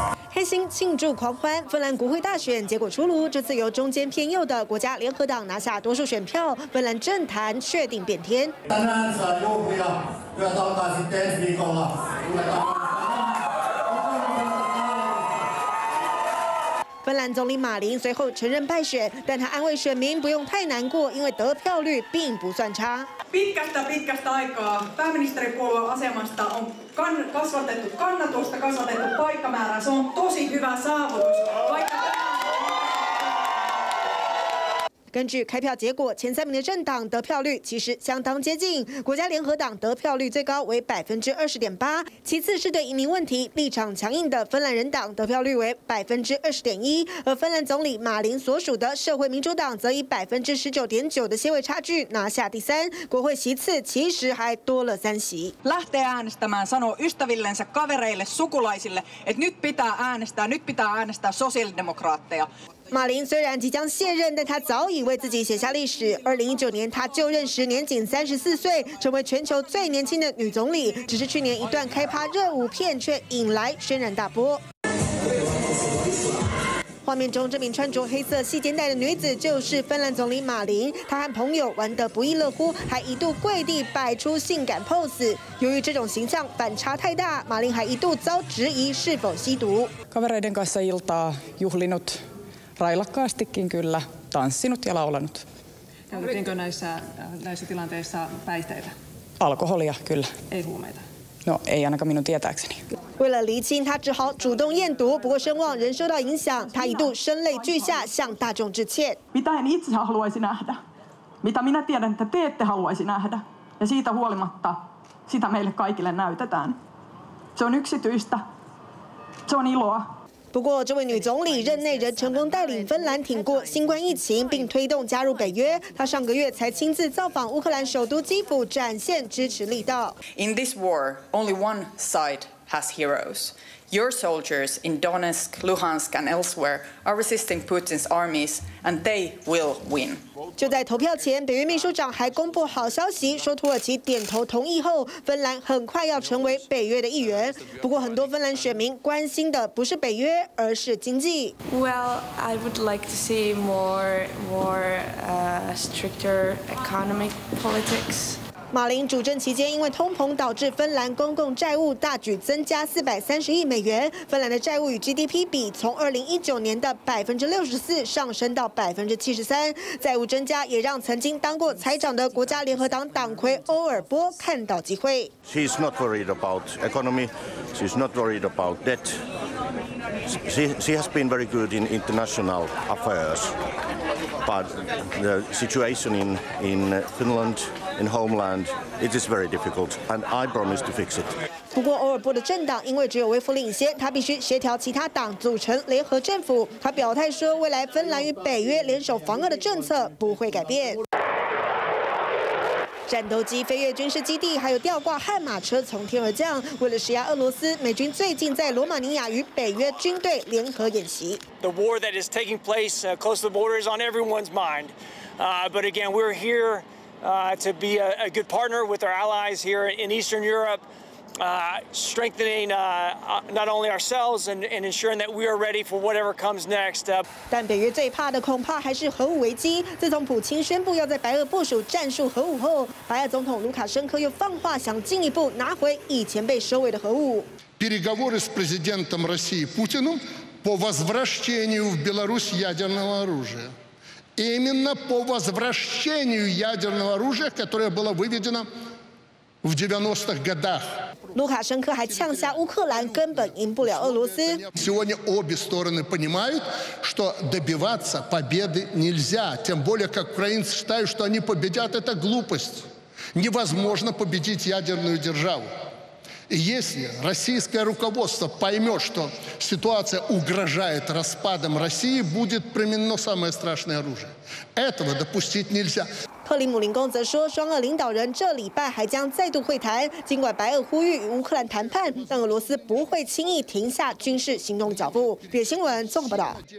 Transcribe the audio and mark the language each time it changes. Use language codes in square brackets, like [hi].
[zh] 开心庆祝狂欢，芬兰国会大选结果出炉，这次由中间偏右的国家联合党拿下多数选票，芬兰政坛确定变天。芬兰总理马林随后承认败选，但他安慰选民不用太难过，因为得票率并不算差。 [fi] Pitkästä aikaa pääministeripuolueen asemasta on kasvatettu kannatusta, kasvatettu paikkamäärä. Se on tosi hyvä saavutus. [zh] 根据开票结果，前三名的政党得票率其实相当接近。国家联合党得票率最高为20.8%，其次是对移民问题立场强硬的芬兰人党得票率为20.1%，而芬兰总理马林所属的社会民主党则以19.9%的些位差距拿下第三。国会席次其实还多了3席。 [fi] Lähtee äänestämään sanoo ystävillensä, kavereille, sukulaisille, että nyt pitää äänestää, nyt pitää äänestää sosiaalidemokraatteja. [zh] 马林虽然即将卸任，但他早已为自己写下历史。 2019年，他就任时年仅34岁，成为全球最年轻的女总理。只是去年一段开趴热舞片却引来轩然大波。画面中这名穿着黑色细肩带的女子就是芬兰总理马林，她和朋友玩得不亦乐乎，还一度跪地摆出性感 pose。由于这种形象反差太大，马林还一度遭质疑是否吸毒。 [fi] Kavereiden kanssa iltaa juhlinut。Railakkaastikin kyllä. tanssinut ja laulanut. Käytettiinkö näissä tilanteissa päihteitä? Alkoholia, kyllä. Ei huumeita? No, ei ainakaan minun tietääkseni. [zh] 为了厘清，他只好主动验毒。不过声望仍受到影响，他一度声泪俱下，向大众致歉。 [fi] Mitä en itse haluaisi nähdä? Mitä minä tiedän, että te ette haluaisi nähdä? Ja siitä huolimatta sitä meille kaikille näytetään. Se on yksityistä. Se on iloa. [zh] 不过，这位女总理任内仍成功带领芬兰挺过新冠疫情，并推动加入北约。她上个月才亲自造访乌克兰首都基辅，展现支持力道。 [en] In this war, only one side has heroes. Your soldiers in Donetsk, Luhansk, and elsewhere are resisting Putin's armies, and they will win. [zh] 就在投票前，北约秘书长还公布好消息，说土耳其点头同意后，芬兰很快要成为北约的一员。不过，很多芬兰选民关心的不是北约，而是经济。 [en] Well, I would like to see more stricter economic politics. [zh] 马林主政期间，因为通膨导致芬兰公共债务大举增加 430亿美元，芬兰的债务与 GDP 比从2019年的 64% 上升到 73%。债务增加也让曾经当过财长的国家联合党党魁欧尔波看到机会。 [en] She's not worried about economy. She's not worried about debt. She has been very good in international affairs. But the situation in Finland, in homeland, it is very difficult, and I promise to fix it. [zh] 不过，欧尔波的政党因为只有微服领先，他必须协调其他党组成联合政府。他表态说，未来芬兰与北约联手防俄的政策不会改变。战斗机、飞越军事基地，还有吊挂悍马车从天而降，为了施压俄罗斯，美军最近在罗马尼亚与北约军队联合演习。 [en] The war that is taking place close to the border is on everyone's mind, but again, we're here to be a good partner with our allies here in Eastern Europe, strengthening not only ourselves and ensuring that we are ready for whatever comes next. [zh] 但北约最怕的恐怕还是核武危机。自从普京宣布要在白俄部署战术核武后，白俄总统卢卡申科又放话想进一步拿回以前被收尾的核武。 [ru] Переговоры с президентом России Путиным по возвращению в Беларусь ядерного оружия. Именно по возвращению ядерного оружия, которое было выведено в 90-х годах. [zh] 卢卡申科还呛下乌克兰根本赢不了俄罗斯。 [ru] Сегодня обе стороны понимают, что добиваться победы нельзя. Тем более, как украинцы считают, что они победят, это глупость. Невозможно победить ядерную державу. И если российское руководство поймет, что ситуация угрожает распадом России, будет применено самое страшное оружие. Этого допустить нельзя. [zh] 克里姆林宫则说，双俄领导人这礼拜还将再度会谈。尽管白俄呼吁与乌克兰谈判，但俄罗斯不会轻易停下军事行动脚步。《别新闻》综合报道。